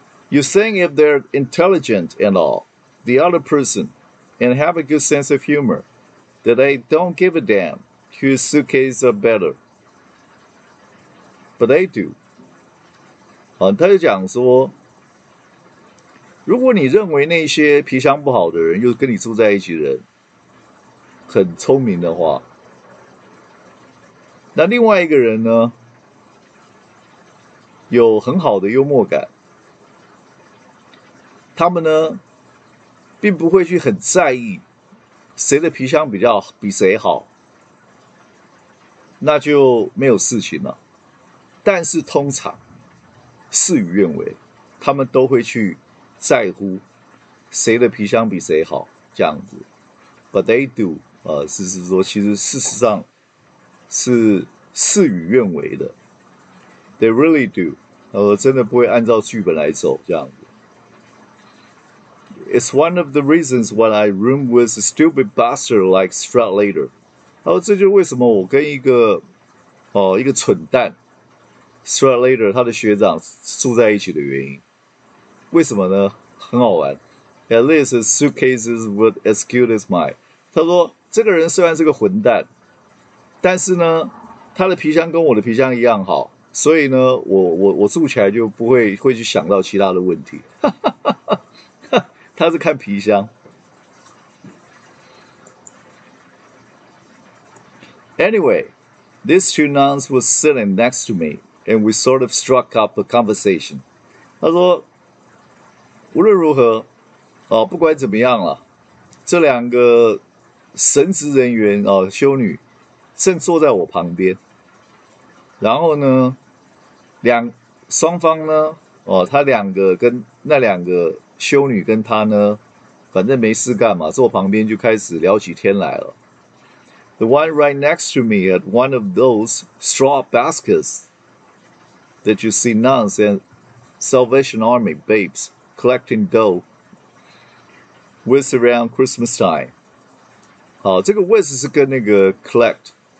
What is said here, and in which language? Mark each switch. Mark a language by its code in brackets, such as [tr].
[en] You think if they're intelligent and all, the other person, and have a good sense of humor, that they don't give a damn whose suitcase are better. But they do。 [zh] 他就讲说，如果你认为那些皮箱不好的人，又跟你住在一起的人很聪明的话，那另外一个人呢，有很好的幽默感，他们呢，并不会去很在意谁的皮箱比谁好，那就没有事情了。但是通常事与愿违，他们都会去在乎谁的皮箱比谁好这样子。 [en] But they do， [zh] 是说其实事实上是事与愿违的。 [en] They really do， [zh] 真的不会按照剧本来走这样子。 [en] It's one of the reasons why I room with a stupid bastard like Strutt later。 [zh] 这就是为什么我跟一个蠢蛋。 Strutt later，他的学长住在一起的原因，为什么呢？很好玩。 [en] At least his suitcases were as cute as mine。 [zh] 他说，这个人虽然是个混蛋，但是呢，他的皮箱跟我的皮箱一样好，所以呢，我住起来就不会去想到其他的问题。他是看皮箱。 [en] Anyway, these two nuns were sitting next to me。 And we sort of struck up a conversation。 [zh] 他说，无论如何，不管怎么样了，这两个神职人员修女正坐在我旁边。然后呢，双方呢，他两个跟那两个修女跟他呢，反正没事干嘛，坐旁边就开始聊起天来了。 [en] The one right next to me had one of those straw baskets。 That you see nuns and Salvation Army babes collecting dough with around Christmas time。 [zh] 好，这个 with 是跟那个 collect